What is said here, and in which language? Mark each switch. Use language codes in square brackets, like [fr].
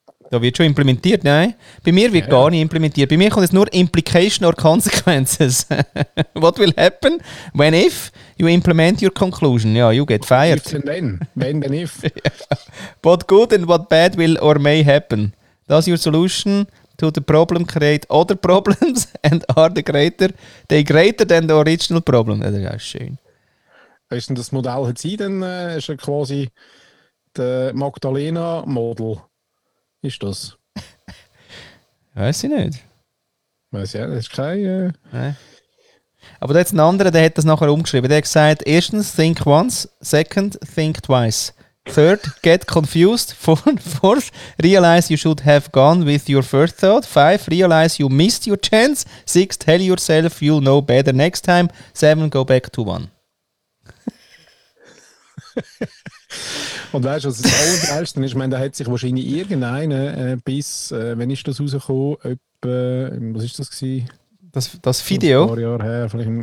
[de] Da wird schon implementiert, nein. Bei mir wird gar nicht implementiert. Bei mir kommt es nur [en] Implication or Consequences. What will happen when if you implement your conclusion? Ja, you get fired. If and then. When and if. What good and what bad will or may happen? Does your solution to the problem create other problems and are they greater than the original problem? [de] Das ist ja schön. Ist denn das Modell hat sie denn, ist ja quasi der Magdalena-Model. Ist das? Weiß ich nicht. Weiß ja, das ist kein. Aber da jetzt ein anderer, der hat das nachher umgeschrieben. Der hat gesagt: erstens, [en] think once. Second, think twice. Third, get confused. Fourth, realize you should have gone with your first thought. Five, realize you missed your chance. Six, tell yourself you'll know better next time. Seven, go back to one. [de] Und weißt du, was das Allergeilste ist? Ich meine, da hat sich wahrscheinlich irgendeiner bis, wann ist das rausgekommen? Etwa, was ist das gewesen? Das Video? Ein paar Jahre her, vielleicht